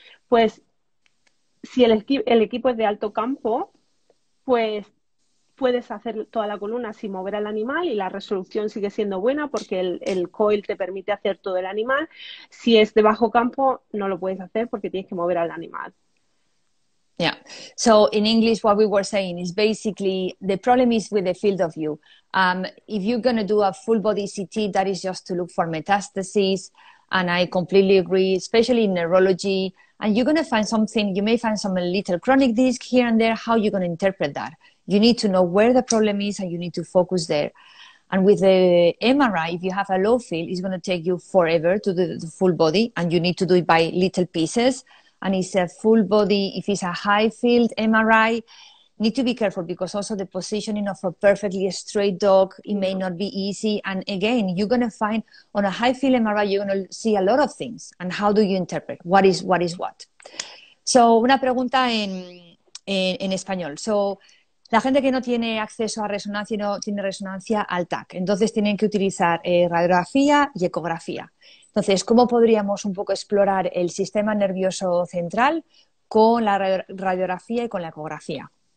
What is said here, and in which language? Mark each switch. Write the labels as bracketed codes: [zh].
[es] Pues si el equipo es de alto campo, pues puedes hacer toda la columna sin mover al animal y la resolución sigue siendo buena porque el coil te permite hacer todo el animal. Si es de bajo campo, no lo puedes hacer porque tienes que mover al animal. [en] Yeah. So in English, what we were saying is basically the problem is with the field of view. If you're going to do a full body CT, that is just to look for metastasis. And I completely agree, especially in neurology. And you're going to find something, you may find some little chronic disc here and there. How are you going to interpret that? You need to know where the problem is and you need to focus there. And with the MRI, if you have a low field, it's going to take you forever to do the full body and you need to do it by little pieces. And it's a full body. If it's a high field MRI, need to be careful because also the positioning of a perfectly straight dog, it may not be easy. And again, you're going to find on a high field MRI, you're going to see a lot of things. And how do you interpret what is what? [es] So, una pregunta en español. So, la gente que no tiene acceso a resonancia y no tiene resonancia al TAC, entonces tienen que utilizar radiografía y ecografía. Entonces, ¿cómo podríamos un poco explorar el sistema nervioso central con la radiografía y con la ecografía?